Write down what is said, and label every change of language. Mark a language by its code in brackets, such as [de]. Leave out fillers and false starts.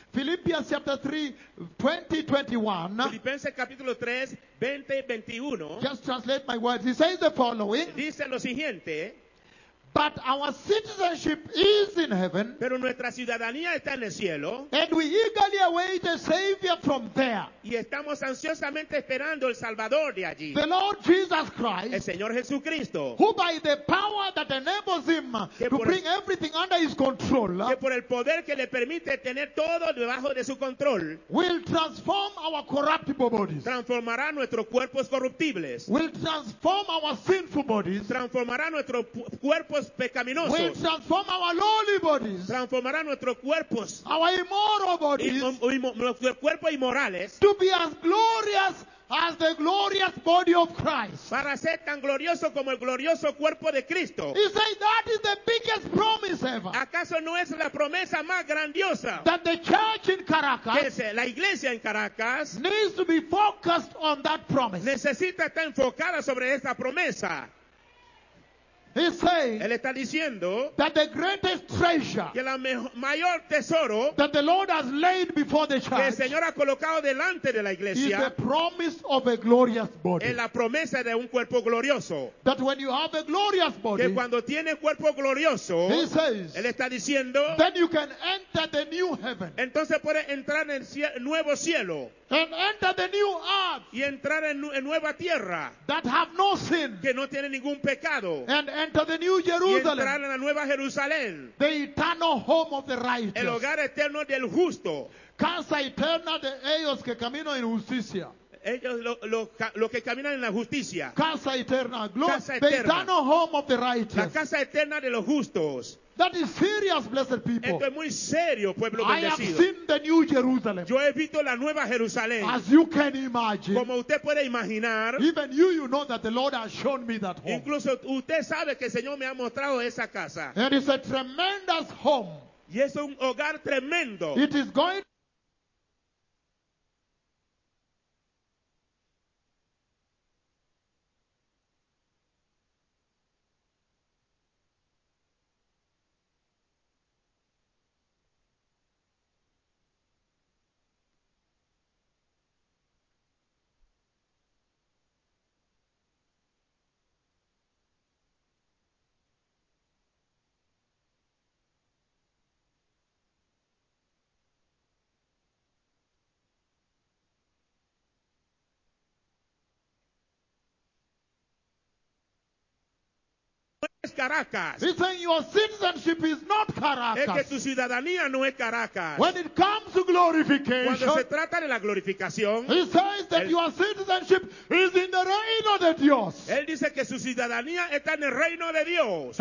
[en] Philippians chapter 3, 20-21. [es] Filipenses capítulo 3, 20-21. [en] Just translate my words. He says the following. [es] Dice lo siguiente. [en] But our citizenship is in heaven. [es] Pero nuestra ciudadanía está en el cielo. [en] And we eagerly await a Savior from there. [es] Y estamos ansiosamente esperando el Salvador de allí. [en] The Lord Jesus Christ. [es] El Señor Jesucristo. [en] Who by the power that enables him to bring everything under his control. [es] Que por el poder que le permite tener todo debajo de su control. [en] Will transform our corruptible bodies. [es] Transformará nuestros cuerpos corruptibles. [en] Will transform our sinful bodies. [es] Transformará nuestro cuerpo. [en] Will transform our lowly bodies, [es] transformará nuestros cuerpos, [en] our immoral bodies, [es] nuestros cuerpos inmorales, [en] to be as glorious as the glorious body of Christ, [es] para ser tan glorioso como el glorioso cuerpo de Cristo. [en] He said that is the biggest promise ever. [es] ¿Acaso no es la promesa más grandiosa? [en] That the church in Caracas, [es] que es la iglesia en Caracas, [en] needs to be focused on that promise. [es] Necesita estar enfocada sobre esa promesa. [en] He's saying, [es] él está diciendo, [en] that the greatest treasure, [es] que la mayor tesoro, [en] that the Lord has laid before the church, [es] que el Señor ha colocado delante de la iglesia, [en] is the promise of a glorious body. [es] Es la promesa de un cuerpo glorioso. [en] That when you have a glorious body, [es] que cuando tiene cuerpo glorioso, [en] he says, [es] él está diciendo, [en] then you can enter the new heaven. [es] Entonces puede entrar en el nuevo cielo. [en] And enter the new earth, [es] y entrar en nueva tierra, [en] that have no sin, [es] que no tiene ningún pecado, [en] and enter the new Jerusalem, [es] y entrar en la nueva Jerusalén, [en] the eternal home of the righteous, [es] el hogar eterno del justo. Casa eterna de ellos que caminan en justicia. Ellos lo que caminan en la justicia. Casa eterna, casa eterna. [en] The eternal home of the righteous. [es] La casa eterna de los justos. [en] That is serious, blessed people. [es] Esto es muy serio, pueblo bendecido. [en] I have seen the new Jerusalem. [es] Yo he visto la nueva Jerusalén. [en] As you can imagine. [es] Como usted puede imaginar. [en] Even you know that the Lord has shown me that home. [es] Incluso usted sabe que el Señor me ha mostrado esa casa. [en] And it's a tremendous home. [es] Y es un hogar tremendo. [en] It is going. [es] Caracas. [en] He's saying your citizenship is not Caracas. [es] Es que tu ciudadanía no es Caracas. [en] When it comes to glorification, [es] cuando se trata de la glorificación, [en] he says that your citizenship is in the [es] reino de Dios. Él dice que su ciudadanía está en el reino de Dios.